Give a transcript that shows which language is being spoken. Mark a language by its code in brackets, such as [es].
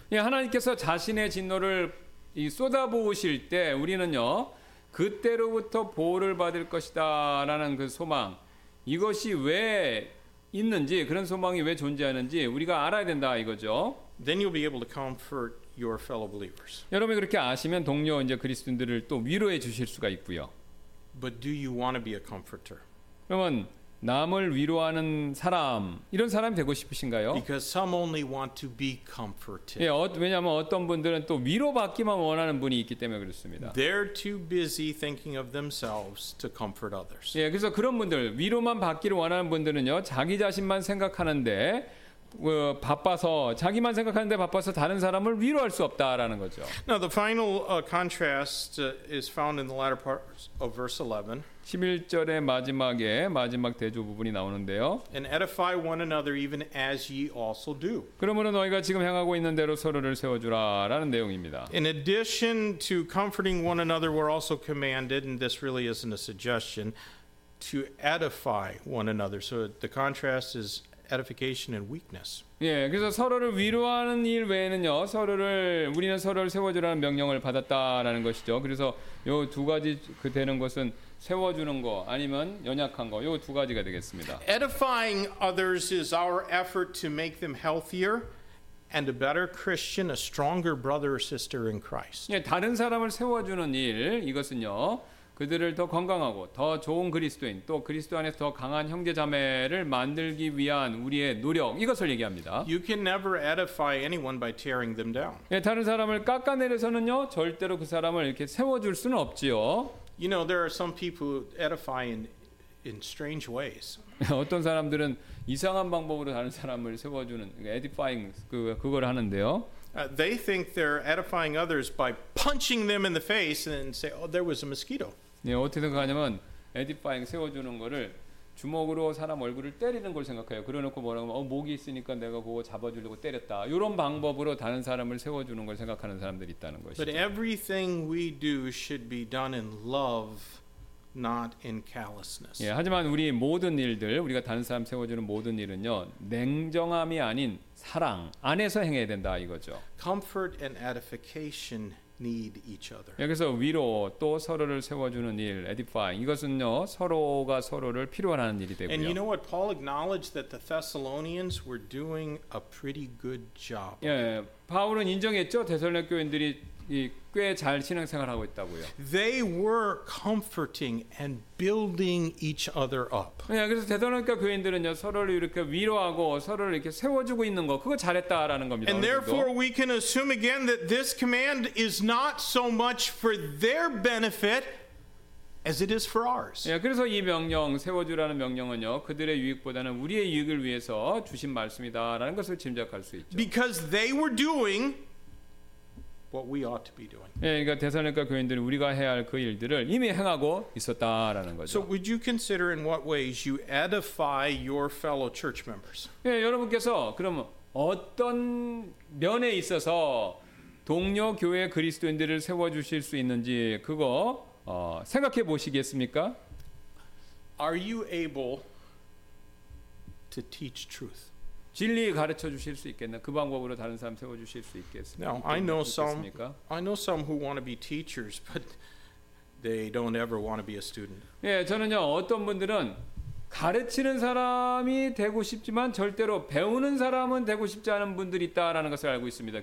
[ko] 예, 하나님께서 자신의 진노를 쏟아 부으실 때 우리는요 그때로부터 보호를 받을 것이다라는 그 소망 이것이 왜 있는지 그런 소망이 왜 존재하는지 우리가 알아야 된다 이거죠. [en] Then you'll be able to comfort your fellow believers. [ko] 여러분이 그렇게 아시면 동료 이제 그리스도인들을 또 위로해 주실 수가 있고요. [en] But do you want to be a comforter? [ko] 그러면 남을 위로하는 사람 이런 사람이 되고 싶으신가요? [en] Because some only want to be comforted. [ko] 예, 왜냐하면 어떤 분들은 또 위로받기만 원하는 분이 있기 때문에 그렇습니다. [en] They're too busy thinking of themselves to comfort others. [ko] 예, 그래서 그런 분들 위로만 받기를 원하는 분들은요 자기 자신만 생각하는데 바빠서 자기만 생각하는데 바빠서 다른 사람을 위로할 수 없다라는 거죠. [en] Now the final contrast is found in the latter part of verse 11. [ko] 11절의 마지막에 마지막 대조 부분이 나오는데요. [en] And edify one another even as ye also do. [ko] 그러므로 너희가 지금 향하고 있는 대로 서로를 세워주라라는 내용입니다. [en] In addition to comforting one another, we're also commanded, and this really isn't a suggestion, to edify one another. So the contrast is edification and weakness. [ko] 예, 그래서 서로를 위로하는 일 외에는요, 우리는 서로를 세워주라는 명령을 받았다라는 것이죠. 그래서 요 두 가지 그 되는 것은 세워주는 거 아니면 연약한 거, 요 두 가지가 되겠습니다. [en] Edifying others is our effort to make them healthier and a better Christian, a stronger brother or sister in Christ. [ko] 예, 다른 사람을 세워주는 일 이것은요. 그들을 더 건강하고 더 좋은 그리스도인 또 그리스도 안에서 더 강한 형제 자매를 만들기 위한 우리의 노력 이것을 얘기합니다. [en] You can never edify anyone by tearing them down. [ko] 예, 다른 사람을 깎아내려서는요 절대로 그 사람을 이렇게 세워줄 수는 없지요. [en] You know there are some people edify in strange ways. [ko] 어떤 사람들은 이상한 방법으로 다른 사람을 세워주는 edifying 그걸 하는데요. [en] They think they're edifying others by punching them in the face and say, "Oh, there was a mosquito." [ko] 네, 어떻게든 가냐면 edifying 세워주는 거를 주먹으로 사람 얼굴을 때리는 걸 생각해요. 그러놓고 뭐라고 하면 목이 있으니까 내가 그거 잡아주려고 때렸다. 이런 방법으로 다른 사람을 세워주는 걸 생각하는 사람들이 있다는 것이죠. [en] But everything we do should be done in love. Not in callousness. [ko] 예, 하지만 우리 모든 일들, 우리가 다른 사람 세워주는 모든 일은요, 냉정함이 아닌 사랑 안에서 행해야 된다 이거죠. [en] Comfort and edification need each other. [ko] 여기서 위로 또 서로를 세워주는 일, edifying 이것은요, 서로가 서로를 필요로 하는 일이 되고요. [en] And you know what? Paul acknowledged that the Thessalonians were doing a pretty good job. [ko] 예, 바울은 인정했죠, 데살로니가인들이 꽤 잘 신앙생활 하고 있다고요. [en] They were comforting and building each other up. [ko] 예, 그래서 데살로니가 교인들은요 서로를 이렇게 위로하고 서로를 이렇게 세워주고 있는 거 그거 잘했다라는 겁니다. [en] And therefore we can assume again that this command is not so much for their benefit as it is for ours. [ko] 예, 그래서 이 명령 세워주라는 명령은요 그들의 유익보다는 우리의 유익을 위해서 주신 말씀이다라는 것을 짐작할 수 있죠. [en] Because they were doing what we ought to be doing. [ko] 예, 그러니까 데살로니가 교인들이 우리가 해야 할 그 일들을 이미 행하고 있었다라는 거죠. [en] So would you consider in what ways you edify your fellow church members? [ko] 예, 여러분께서 그럼 어떤 면에 있어서 동료 교회 그리스도인들을 세워 주실 수 있는지 그거 생각해 보시겠습니까? [en] Are you able to teach truth? [ko] 진리에 가르쳐 주실 수 있겠나? 그 방법으로 다른 사람 세워 주실 수 있겠습니까? [en] I know some who want to be teachers, but they don't ever want to be a student. [ko] 예, 저는요 어떤 분들은 가르치는 사람이 되고 싶지만 절대로 배우는 사람은 되고 싶지 않은 분들이 있다라는 것을 알고 있습니다.